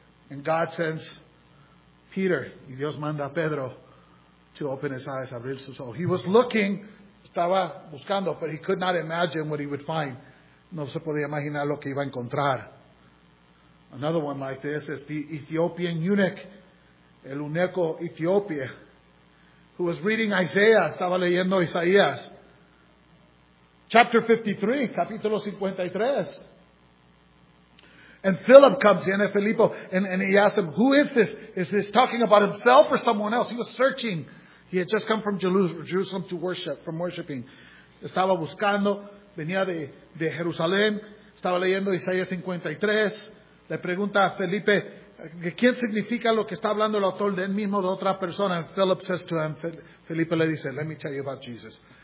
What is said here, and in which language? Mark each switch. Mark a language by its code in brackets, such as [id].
[en] And God sends Peter, [es] y Dios manda a Pedro [en] to open his eyes, [es] abrir sus ojos. [en] He was looking, [es] estaba buscando, [en] but he could not imagine what he would find. [es] No se podía imaginar lo que iba a encontrar. [en] Another one like this is the Ethiopian eunuch, [es] el eunuco Etiopía, [en] who was reading Isaiah, [es] estaba leyendo Isaías. [en] Chapter 53, [es] capítulo 53. [en] And Philip comes in, and Filippo, and he asked him, who is this? Is this talking about himself or someone else? He was searching. He had just come from Jerusalem to worship, from worshiping. [es] Estaba buscando, venía de Jerusalén, estaba leyendo Isaías 53. Le pregunta a Felipe, ¿quién significa lo que está hablando el autor de él mismo, de otra persona? [en] And Philip says to him, [es] Felipe le dice, [en] let me tell you about Jesus.